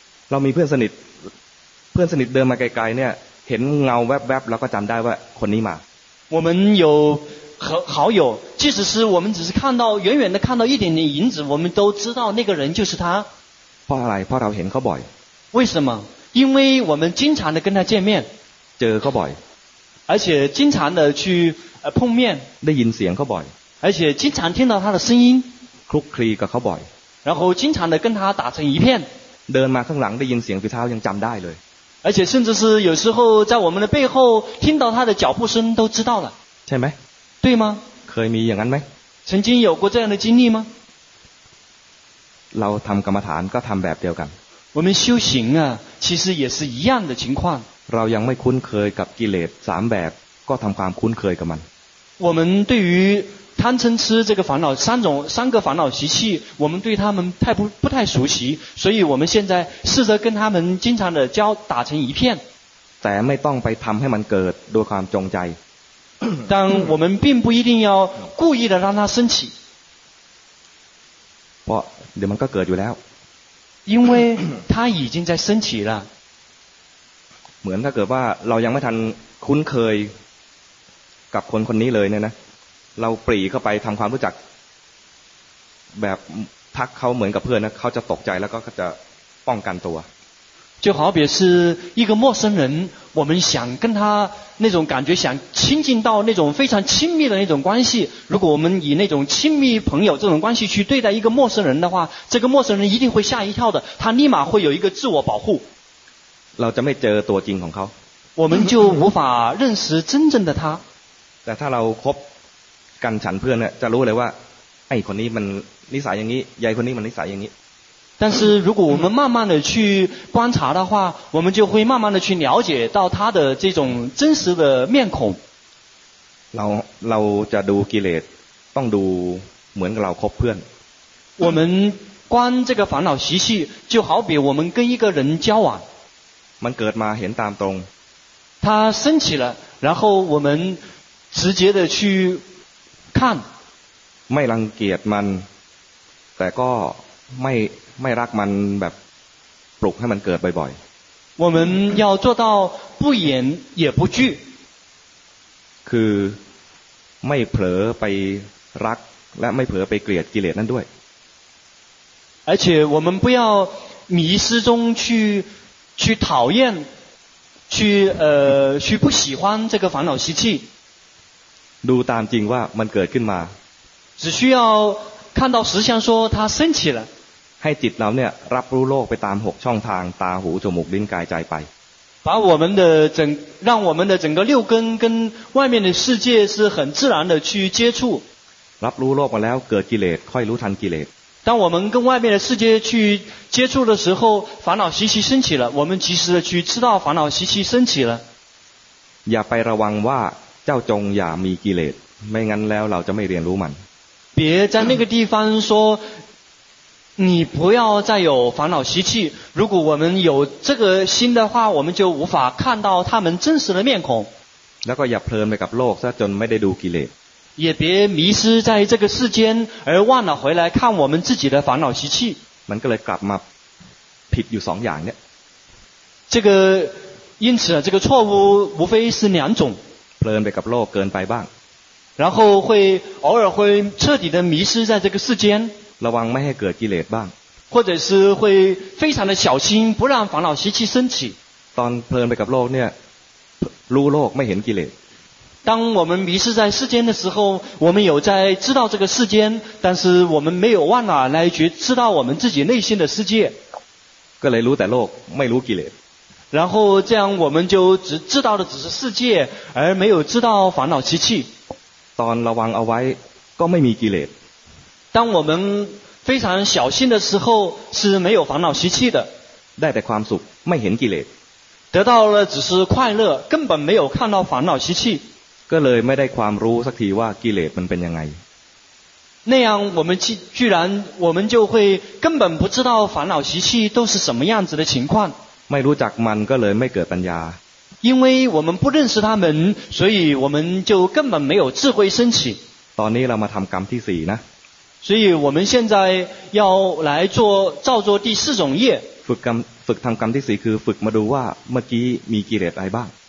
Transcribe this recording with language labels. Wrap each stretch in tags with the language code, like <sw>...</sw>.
<th>เรามีเพื่อนสนิทเพื่อนสนิทเดินมาไกลๆเนี่ยเห็นเงาแวบๆแล้วก็จำได้ว่าคนนี้มา</th> <zh>我们有好友即使是我们只是看到远远的看到一点点影子我们都知道那个人就是他</zh> <th>เพราะอะไรเพราะเราเห็นเขาบ่อย</th> <zh>为什么因为我们经常的跟他见面</zh> <th>เจอเขาบ่อย</th> <zh>而且经常的去碰面</zh> <th>ได้ยินเสียงเขาบ่อย</th> <zh>而且经常听到他的声音</zh> <th>คลุกคลีกับเขาบ่อย</th> <zh>然后经常的跟他打成一片</zh> <th>เดินมาข้างหลังได้ยินเสียงฝีเท้ายังจำได้เลย</th> <zh>而且甚至是有时候在我们的背后听到他的脚步声都知道了</zh> <th>ใช่ไหม</th> <zh>对吗</zh> <th>เคยมีอย่างนั้นไหม</th> <zh>曾经有过这样的经历吗</zh> <th>เราทำกรรมฐานก็ทำแบบเดียวกัน</th> <zh>我们修行啊其实也是一样的情况</zh> <th>เรายังไม่คุ้นเคยกับกิเลส3แบบก็ทำความคุ้นเคยกับมัน</th> <zh>我们对于贪嗔痴这个烦恼三个烦恼习气我们对他们不太熟悉所以我们现在试着跟他们经常的交打成一片</zh> <th>แต่ไม่ต้องไปทำให้มันเกิดด้วยความจงใจ</th> <zh>但我们并不一定要故意的让它升起</zh> <th>เพราะเดี๋ยวมันก็เกิดอยู่แล้ว</th> <zh>因为它已经在升起了</zh> <th>เหมือนถ้าเกิดว่าเรายังไม่ทันคุ้นเคยกับคนคนนี้เลยเนี่ยนะเราปรีเข้าไปทำความรู้จักแบบทักเขาเหมือนกับเพื่อนนะเขาจะตกใจแล้วก็จะป้องกันตัว</th> <zh>就好比是一个陌生人我们想跟他那种感觉想亲近到那种非常亲密的那种关系如果我们以那种亲密朋友这种关系去对待一个陌生人的话这个陌生人一定会吓一跳的他立马会有一个自我保护</zh> <th>เราจะไม่เจอตัวจริงของเขา</th> <zh>我们就无法认识真正的他</zh> <th>แต่ถ้าเราคบกันฉันเพื่อนเนี่ยจะรู้เลยว่าไอ้คนนี้มันนิสัยอย่างนี้ยายคนนี้มันนิสัยอย่างนี้</th> <zh>但是如果我们慢慢的去观察的话我们就会慢慢的去了解到他的这种真实的面孔</zh> <th>เราจะดูกิเลสต้องดูเหมือนกับเราคบเพื่อน</th> <zh>我们观这个烦恼习气，就好比我们跟一个人交往。</zh> <th>มันเกิดมาเห็นตามตรง。</th> <zh>它升起了，然后我们直接的去看。</zh> <th>ไม่รังเกียจมันแต่ก็ไม่รักมันแบบปลุกให้มันเกิดบ่อย</th> <zh>ๆ我们要做到不掩也不惧</zh> <th>คือไม่เผลอไปรักและไม่เผลอไปเกลียดกิเลสนั่นด้วย</th> <zh>而且我们不要迷失中去讨厌去不喜欢这个烦恼习气</zh> <th>ดูตามจริงว่ามันเกิดขึ้นมา</th> <zh>只需要看到实相说它升起了</zh> <th>ให้จิตเราเนี่ยรับรู้โลกไปตามหกช่องทางตาหูจมูกลิ้นกายใจไป</th> <zh>把我们的整让我们的整个六根跟外面的世界是很自然的去接触</zh> <th>รับรู้โลกมาแล้วเกิดกิเลสค่อยรู้ทันกิเลส</th> <zh>当我们跟外面的世界去接触的时候烦恼习气升起了我们及时的去知道烦恼习气升起了</zh> <th>อย่าไประวังว่าเจ้าจงอย่ามีกิเลสไม่งั้นแล้วเราจะไม่เรียนรู้มัน</th> <zh>别在那个地方说你不要再有烦恼习气如果我们有这个心的话我们就无法看到他们真实的面孔</zh> <th>แล้วก็อย่าเพลินไปกับโลกซะจนไม่ได้ดูกิเลส</th> <zh>也别迷失在这个世间而忘了回来看我们自己的烦恼习气</zh> <th>มันก็เลยกลับมาผิดอยู่สองอย่างเนี่ย</th> <zh>这个因此这个错误无非是两种</zh> <th>เพลินไปกับโลกเกินไปบ้าง</th> <zh>然后会偶尔会彻底的迷失在这个世间</zh> <th>ระวังไม่ให้เกิดกิเลสบ้าง</th> <zh>或者是会非常的小心不让烦恼习气升起</zh> <th>ตอนเพลินไปกับโลกเนี่ยรู้โลกไม่เห็นกิเลส</th> <zh>当我们迷失在世间的时候我们有在知道这个世间但是我们没有忘了来觉知道我们自己内心的世界</zh> <th>ก็เลยรู้แต่โลกไม่รู้กิเลส</th> <zh>然后这样我们就只知道的只是世界而没有知道烦恼习气</zh> <th>ตอนระวังเอาไว้ก็ไม่มีกิเลส</th> <zh>当我们非常小心的时候是没有烦恼习气的</zh> <th>ได้แต่ความสุขไม่เห็นกิเลส</th> <zh>得到了只是快乐根本没有看到烦恼习气</zh> <th>ก็เลยไม่ได้ความรู้สักทีว่ากิเลสมันเป็นยังไง</th> <zh>那样我们居然就会根本不知道烦恼习气都是什么样子的情况</zh> <th>ไม่รู้จักมันก็เลยไม่เกิดปัญญา</th> <zh>因为我们不认识他们所以我们就根本没有智慧升起</zh> <th>ตอนนี้เรามาทำกรรมที่สี่นะ</th> <zh>所以我们现在要来做造作第四种业</zh> <th>ฝึกทำกรรมที่สี่คือฝึกมาดูว่าเมื่อกี้มีกิเลสอะไรบ้าง</th>